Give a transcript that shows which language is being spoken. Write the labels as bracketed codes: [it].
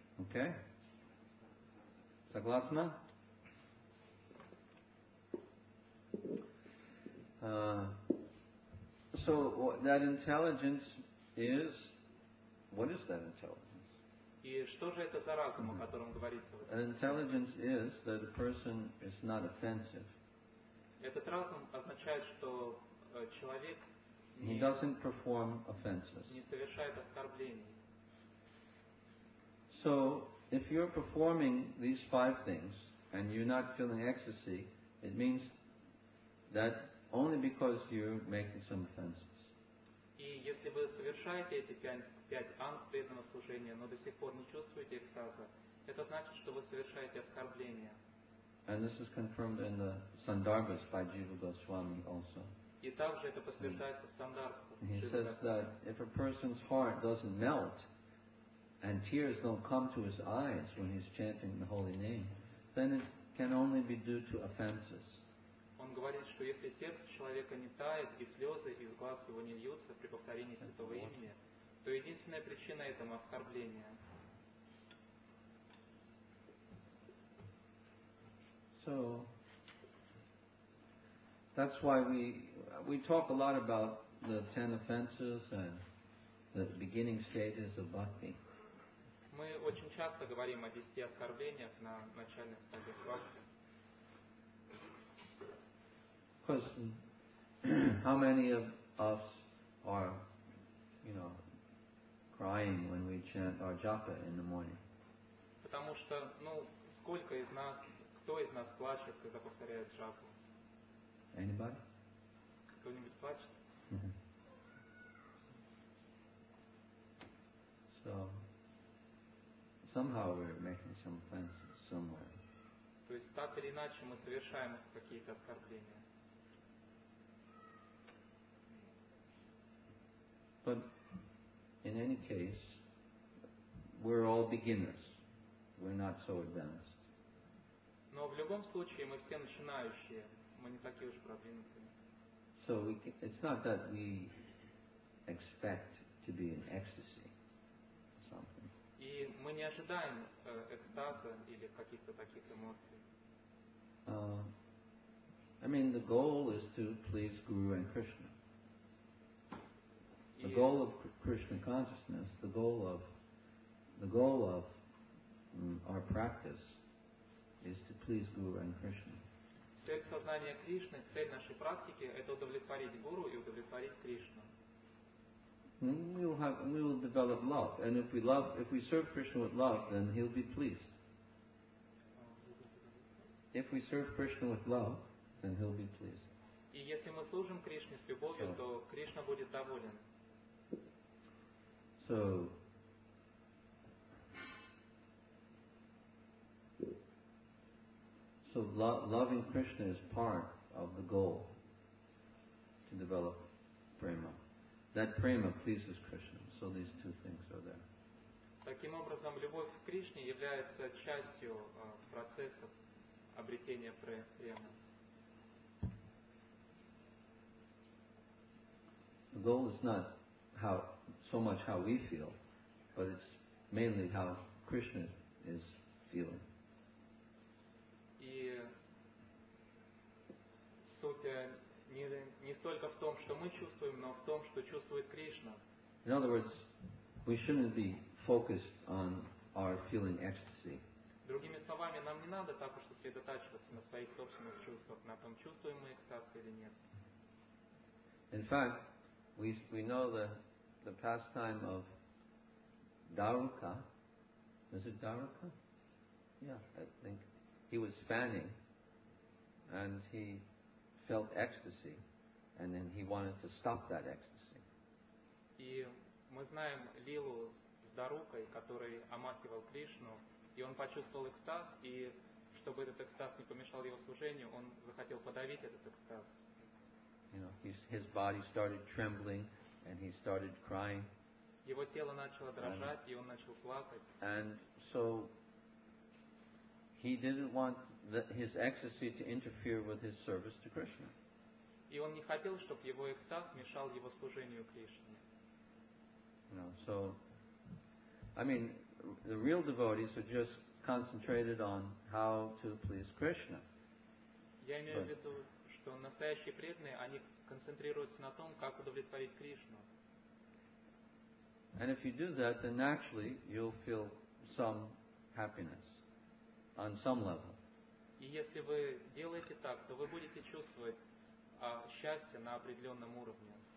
[en] Okay? [ru] Согласна? [en] So that intelligence is, what is that intelligence? [ru] И что же это за разум, о котором говорится? [en] An intelligence is that a person is not offensive. [ru] Этот разум означает, что человек [en] he doesn't perform offenses. [ru] Не совершает оскорблений. [en] So if you're performing these five things and you're not feeling ecstasy, it means that only because you're making some offenses. [ru] И если вы совершаете эти пять анг преданного служения, но до сих пор не чувствуете экстаза, это значит, что вы совершаете оскорбление. [en] And this is confirmed in the Sandarbhas by Jiva Goswami also. [ru] И также это подтверждается в Сандарбхе. [en] He says that if a person's heart doesn't melt and tears don't come to his eyes when he's chanting the holy name, then it can only be due to offenses. [ru] Он говорит, что если сердце человека не тает, и слезы из глаз его не льются при повторении святого имени, то единственная причина этому – оскорбление. [en] So, that's why we talk a lot about the 10 offenses and the beginning stages of bhakti. [ru] Мы очень часто говорим о 10 оскорблениях на начальных стадиях бхакти. [en] Because how many of us are, you know, crying when we chant our japa in the morning? [ru] Потому что, ну, сколько из нас, кто из нас плачет, когда повторяет джапу? [en] Anybody? [ru] Кто-нибудь плачет? [en] So somehow we're making some offenses somewhere. [ru] То есть так или иначе мы совершаем какие-то оскорбления. [en] But in any case, we're all beginners. We're not so advanced. [ru] Но в любом случае мы все начинающие. Мы не такие уж продвинутые. [en] So it's not that we expect to be in ecstasy or something. [ru] И мы не ожидаем экстаза или каких-то таких эмоций. [en] I mean, the goal is to please Guru and Krishna. The goal of Krishna consciousness, the goal of our practice is to please Guru and Krishna. [ru] Цель сознания Кришны, цель нашей практики – это удовлетворить Гуру и удовлетворить Кришну. [en] We will develop love, and if we serve Krishna with love, then He'll be pleased. If we serve Krishna with love, then He'll be pleased. [ru] И если мы служим Кришне с любовью, то Кришна будет доволен. [en] So, loving Krishna is part of the goal to develop prema. That prema pleases Krishna. So these two things are there. [ru] Таким образом, любовь к Кришне является частью процесса обретения премы. [en] The goal is not how so much how we feel, but it's mainly how Krishna is feeling. [ru] И суть не столько в том, что мы чувствуем, но в том, что чувствует Кришна. [en] In other words, we shouldn't be focused on our feeling ecstasy. [ru] Другими словами, нам не надо так уж сосредотачиваться на своих собственных чувствах, на том, чувствуем мы экстаз или нет. [en] In fact, we know the pastime of Dharuka. Is it Dharuka? Yeah, I think he was fanning, and he felt ecstasy, and then he wanted to stop that ecstasy. [ru] И мы знаем Лилу с Дарукой, который омахивал Кришну, и он почувствовал экстаз, и чтобы этот экстаз не помешал его служению, он захотел подавить этот экстаз. [en] You know, his body started trembling, and he started crying. [ru] Его тело начало дрожать, и он начал плакать. [en] And so he didn't want his ecstasy to interfere with his service to Krishna. [ru] И он не хотел, чтобы его экстаз мешал его служению Кришне. [en] No, so I mean, the real devotees are just concentrated on how to please Krishna. [ru] Я имею в виду, что настоящие преданные, они концентрируются на том, как удовлетворить Кришну. [en] And if you do that, then naturally you'll feel some happiness on some level. [ru] И если вы делаете так, то вы будете чувствовать счастье на определенном уровне.